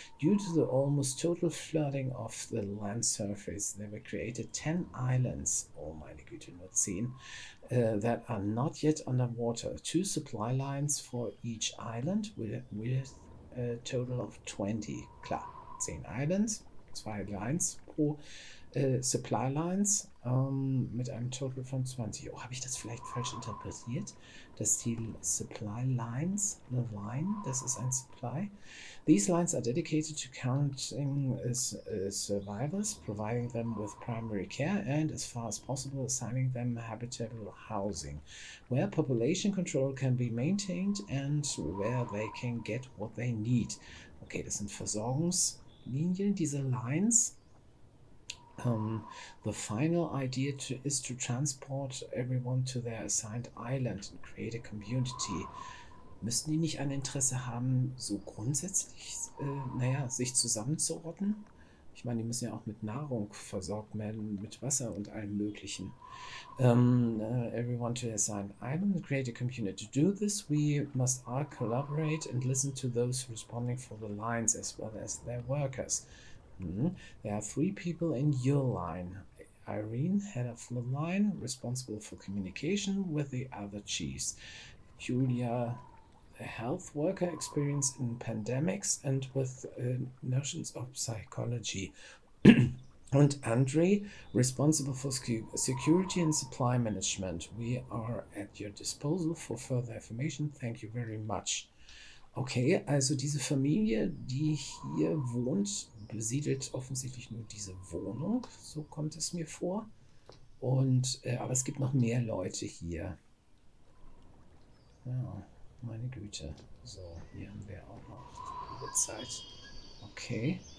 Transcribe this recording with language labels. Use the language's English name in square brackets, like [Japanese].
[English] Due to the almost total flooding of the land surface, there were created 10 islands, [German] oh meine Güte, nur 10, [English] that are not yet underwater. Two supply lines for each island with a total of 20. [German] Klar, [English] 10 islands, 2 lines [German] pro Supply Lines mit einem Total von 20. Oh, habe ich das vielleicht falsch interpretiert? Das Ziel Supply Lines, [English] the line, [German] das ist ein Supply. [English] These lines are dedicated to counting survivors, providing them with primary care and as far as possible assigning them habitable housing, where population control can be maintained and where they can get what they need. [German] Okay, das sind Versorgungslinien, diese Lines. [English] The final idea is to transport everyone to their assigned island and create a community. [German] Müssen die nicht ein Interesse haben, so grundsätzlich, naja, sich zusammenzurotten? Ich meine, die müssen ja auch mit Nahrung versorgt werden, mit Wasser und allem Möglichen. [English] Everyone to assigned island and create a community. To do this, we must all collaborate and listen to those responding for the lines as well as their workers. There are three people in your line. Irene, head of the line, responsible for communication with the other chiefs. Julia, a health worker experienced in pandemics and with notions of psychology. Und Andre, responsible for security and supply management. We are at your disposal for further information. Thank you very much. [German] Okay, also diese Familie, die hier wohnt, besiedelt offensichtlich nur diese Wohnung. So kommt es mir vor. Aber es gibt noch mehr Leute hier. Ja, meine Güte. So, hier haben wir auch noch die Probezeit. Okay.